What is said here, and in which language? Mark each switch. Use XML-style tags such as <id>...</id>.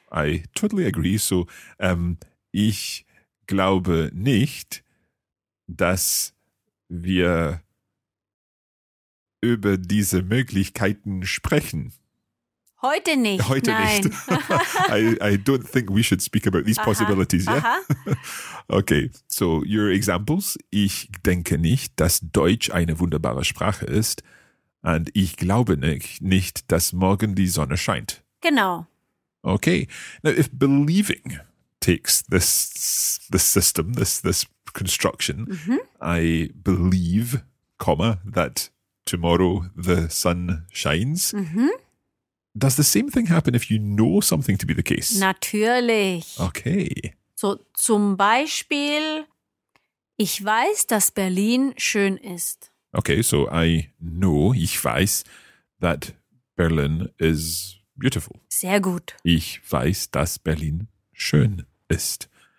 <en>I totally agree.</en> <de>So, ich glaube nicht, dass wir über diese Möglichkeiten sprechen. Heute nicht. Heute nein. Nicht.</de> <en>I don't think we should speak about these possibilities. Yeah. Okay, so your examples.</en> <de>Ich denke nicht, dass Deutsch eine wunderbare Sprache ist. Und ich glaube nicht, dass morgen die Sonne scheint. Genau.</de> <en>Okay. Now, if believing takes this system, this construction. Mm-hmm. I believe, comma, that tomorrow the sun shines. Mm-hmm. Does the same thing happen if you know something to be the case?</en> <de>Natürlich.</de> <en>Okay.</en> <de>So zum Beispiel, ich weiß, dass Berlin schön ist.</de> <en>Okay, so I know,</en> <de>ich weiß,</de> <en>that Berlin is beautiful.</en> <de>Sehr gut. Ich weiß, dass Berlin schön ist.</de>